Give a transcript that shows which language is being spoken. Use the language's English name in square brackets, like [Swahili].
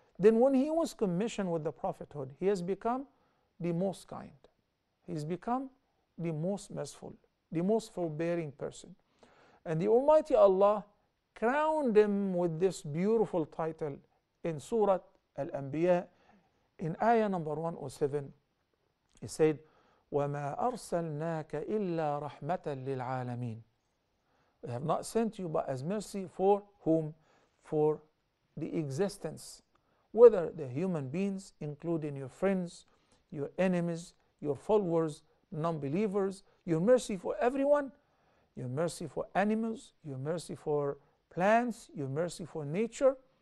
[English] Then when he was commissioned with the prophethood, he has become the most kind. He's become the most merciful, the most forbearing person. And the Almighty Allah crowned him with this beautiful title in Surah Al-Anbiya, in ayah number 107. He said, [Arabic] وَمَا أَرْسَلْنَاكَ إِلَّا رَحْمَةً لِلْعَالَمِينَ. [English] We have not sent you but as mercy for whom? For the existence. Whether the human beings, including your friends, your enemies, your followers, non-believers, your mercy for everyone, your mercy for animals, your mercy for plants, your mercy for nature.